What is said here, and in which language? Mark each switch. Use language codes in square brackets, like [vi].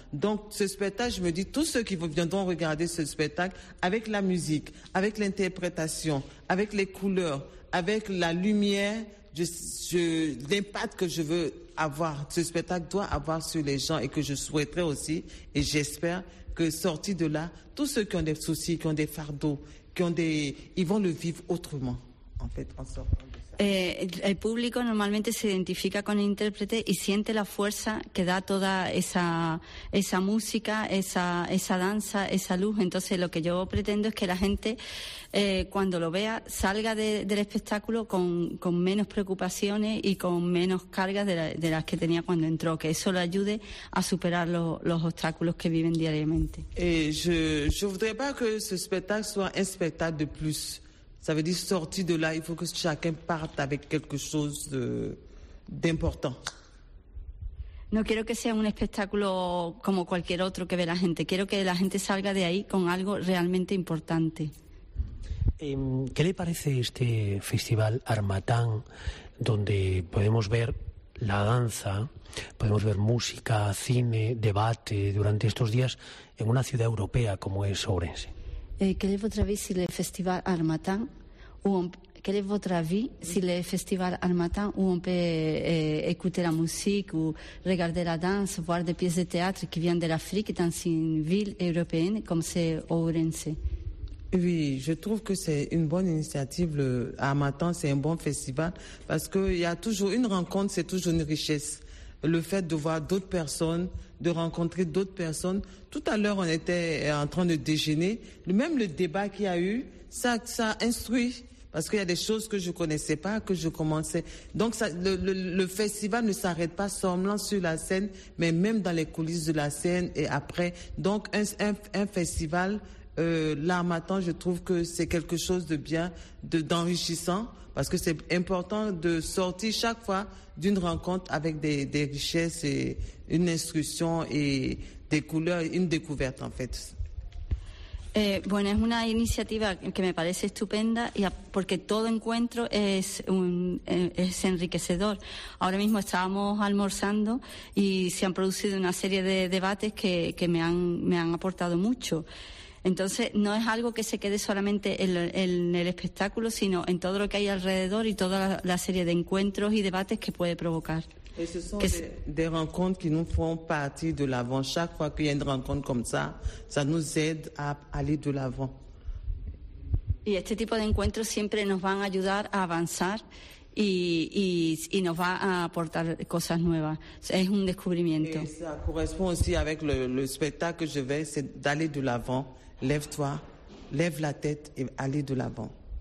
[fr] Donc, ce spectacle, je me dis, tous ceux qui viendront regarder ce spectacle, avec la musique, avec l'interprétation, avec les couleurs, avec la lumière... L'impact que je veux avoir, ce spectacle doit avoir sur les gens et que je souhaiterais aussi, et j'espère que sortis de là, tous ceux qui ont des soucis, qui ont des fardeaux, ils vont le vivre autrement, en fait, en sortant de ça. [es] El público normalmente se identifica con el intérprete y siente la fuerza que da toda esa música, esa danza, esa luz. Entonces, lo que yo pretendo es que la gente, cuando lo vea, salga del espectáculo con menos preocupaciones y con menos cargas de las que tenía cuando entró, que eso le ayude a superar los obstáculos que viven diariamente. Yo no quería que este espectáculo sea un espectáculo de plus. [fr] Ça veut dire sorti de là, il faut que chacun parte avec quelque chose d'important. [es] No quiero que sea un espectáculo como cualquier otro que ve la gente. Quiero que la gente salga de ahí con algo realmente importante. ¿Qué le parece este festival Harmattan, donde podemos ver la danza, podemos ver música, cine, debate durante estos días en una ciudad europea como es Ourense? ¿Qué le podría decir el festival Harmattan? [fr] quel est votre avis si le festival al matin où on peut écouter la musique ou regarder la danse, voir des pièces de théâtre qui viennent de l'Afrique dans une ville européenne comme c'est Ourense? Oui, je trouve que c'est une bonne initiative. Le al matin, c'est un bon festival parce qu'il y a toujours une rencontre, c'est toujours une richesse. Le fait de voir d'autres personnes, de rencontrer d'autres personnes. Tout à l'heure, on était en train de déjeuner. Même le débat qu'il y a eu, ça instruit. Parce qu'il y a des choses que je ne connaissais pas, que je commençais. Donc, ça, le festival ne s'arrête pas seulement sur la scène, mais même dans les coulisses de la scène et après. Donc, un festival, là, maintenant, je trouve que c'est quelque chose de bien, d'enrichissant. Parce que c'est important de sortir chaque fois d'une rencontre avec des richesses et une instruction et des couleurs, une découverte en fait. [es] Bueno, es una iniciativa que me parece estupenda y porque todo encuentro es enriquecedor. Ahora mismo estábamos almorzando y se han producido una serie de debates que me han aportado mucho. Entonces, no es algo que se quede solamente en el espectáculo, sino en todo lo que hay alrededor y toda la serie de encuentros y debates que puede provocar. [fr] Y ce sont des rencontres qui nous font partir de l'avant. Chaque fois qu'il y a une rencontre comme ça, ça nous aide à aller de l'avant. [es] Y este tipo de encuentros siempre nos van a ayudar a avanzar y nos va a aportar cosas nuevas. Es un descubrimiento. [fr] Et ça correspond aussi avec le spectacle que je vais, c'est d'aller de l'avant. Lève-toi, lève la tête et allez de l'avant.